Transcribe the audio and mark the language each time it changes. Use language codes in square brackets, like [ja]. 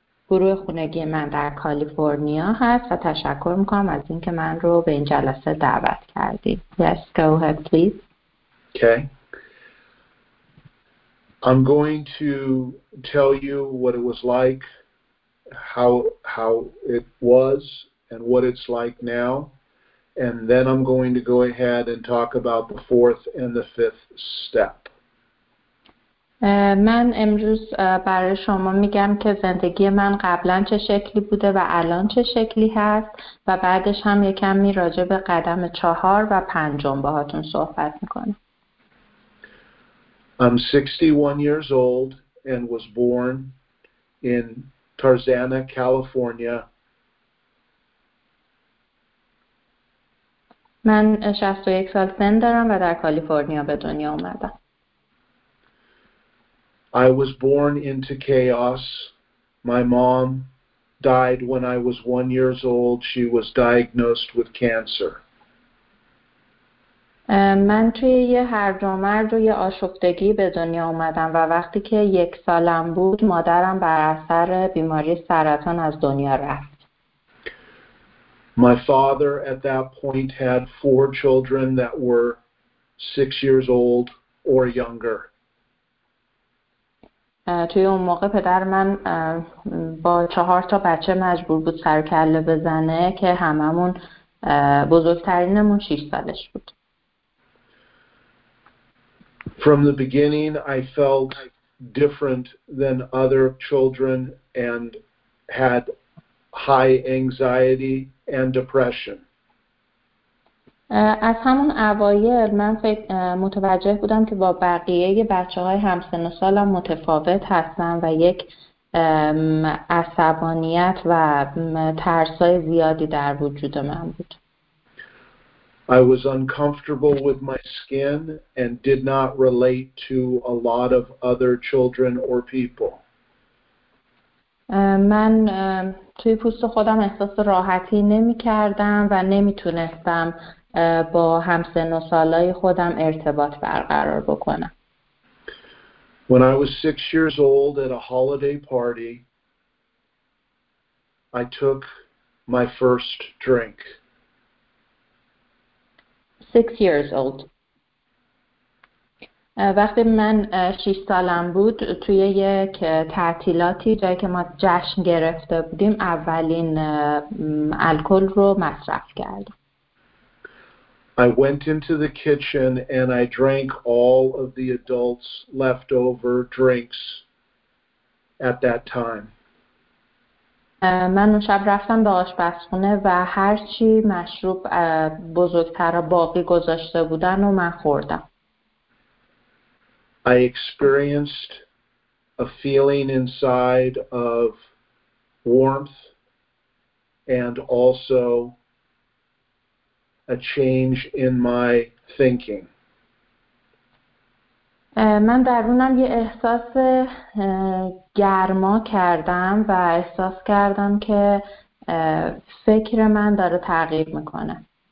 [fa] گروه خونگی من در کالیفرنیا هست و تشکر میکنم از اینکه من رو به این جلسه دعوت کردید. [en] Yes, go ahead, please. Okay. I'm going to tell you what it was like, how it was, and what it's like now. And then I'm going to go ahead and talk about the fourth and the fifth step. [fa] من امروز برای شما میگم که زندگی من قبلا چه شکلی بوده و الان چه شکلی هست و بعدش هم یکم راجع به قدم چهار و پنجم باهاتون صحبت میکنم. [en] I'm 61 years old and was born in Tarzana, California. [fa] من 61 سال سن دارم و در کالیفرنیا به دنیا اومدم. [en] I was born into chaos. My mom died when I was 1 year old. She was diagnosed with cancer. [fa] من توی یه هرج و مرج و یه آشفتگی به دنیا اومدم و وقتی که 1 سالم بود مادرم بر اثر بیماری سرطان از دنیا رفت. [en] My father at that point had 4 children that were 6 years old or younger. [fa] توی اون موقع پدر من با 4 تا بچه مجبور بود سر کله بزنه که هممون بزرگترینمون 6 سالش بود. [en] From the beginning I felt different than other children and had high anxiety and depression. [fa] از همون اوایل من فکر متوجه بودم که با بقیه بچه‌های همسن و سالم متفاوت هستم و یک عصبانیت و ترسای زیادی در وجود من بود. [en] I was uncomfortable with my skin and did not relate to a lot of other children or people. [fa] من توی پوست خودم احساس راحتی نمی‌کردم و نمی‌تونستم با همسن و سالای خودم ارتباط برقرار بکنم. [en] When I was 6 years old at a holiday party, I took my first drink. 6 years old. [fa] وقتی من 6 سالم بود توی یک تعطیلاتی جایی که ما جشن گرفته بودیم اولین الکل رو مصرف کردم. [en] I went into the kitchen and I drank all of the adults' leftover drinks at that time. [fa] من اون شب رفتم به آشپزخونه و هر چی مشروب بزرگتر باقی گذاشته بودن و من خوردم. [en] I experienced a feeling inside of warmth and also a change in my thinking. [fa] من درونم یه احساس گرما کردم و احساس کردم که فکر من داره تغییر میکنه.